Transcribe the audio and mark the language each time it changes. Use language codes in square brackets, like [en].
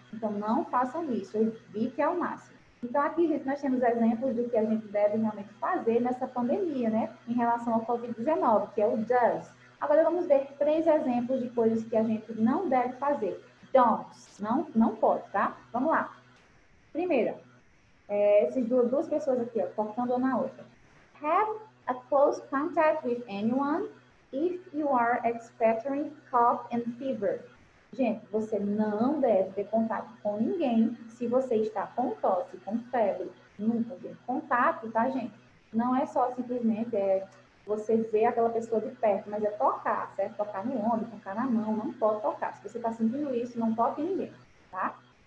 [pt] Então, não façam isso, evite ao máximo. Então, aqui, gente, nós temos exemplos do que a gente deve realmente fazer nessa pandemia, né? Em relação ao Covid-19, que é o does. Agora, vamos ver três exemplos de coisas que a gente não deve fazer. Don'ts. Não pode, tá? Vamos lá. Primeira, essas duas pessoas aqui, ó, cortando uma na outra. [en] Have a close contact with anyone if you are expecting cough and fever. [pt] Gente, você não deve ter contato com ninguém se você está com tosse, com febre. Nunca tem contato, tá, gente? Não é só simplesmente você ver aquela pessoa de perto, mas é tocar, certo? Tocar no ombro, tocar na mão, não pode tocar. Se você está sentindo isso, não toque em ninguém, tá?